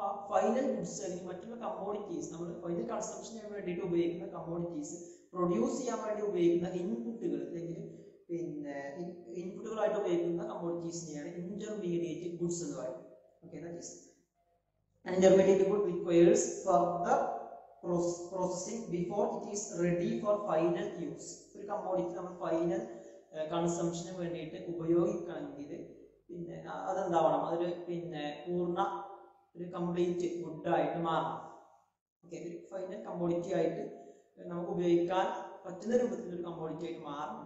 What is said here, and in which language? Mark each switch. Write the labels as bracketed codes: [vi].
[ml] Final goods അല്ലെങ്കിൽ മറ്റുള്ള commodities നമ്മൾ ഫൈനൽ കൺസംപ്ഷന് വേണ്ടിയിട്ട് ഉപയോഗിക്കുന്ന കമ്മോഡിറ്റീസ് പ്രൊഡ്യൂസ് ചെയ്യാൻ വേണ്ടി ഉപയോഗിക്കുന്ന ഇൻപുട്ടുകൾ അല്ലെങ്കിൽ പിന്നെ ഇൻപുട്ടുകളായിട്ട് ഉപയോഗിക്കുന്ന കമ്മോഡിറ്റീസിനെയാണ് ഇന്റർമീഡിയറ്റ് ഗുഡ്സ് എന്ന് പറയുന്നത്. [en] An intermediate good requires further processing before it is ready for final use. [ml] ഒരു കമ്മോഡിറ്റി നമ്മൾ ഫൈനൽ കൺസംപ്ഷന് വേണ്ടിയിട്ട് ഉപയോഗിക്കണമെങ്കിൽ പിന്നെ അതെന്താവണം, അതൊരു പിന്നെ പൂർണ്ണ ഒരു കംപ്ലീറ്റ് ഗുഡായിട്ട് മാറണം. ഓക്കെ, ഒരു ഫൈനൽ കമ്മോഡിറ്റി ആയിട്ട് നമുക്ക് ഉപയോഗിക്കാൻ പറ്റുന്ന രൂപത്തിലൊരു കമ്മോഡിറ്റി ആയിട്ട് മാറണം.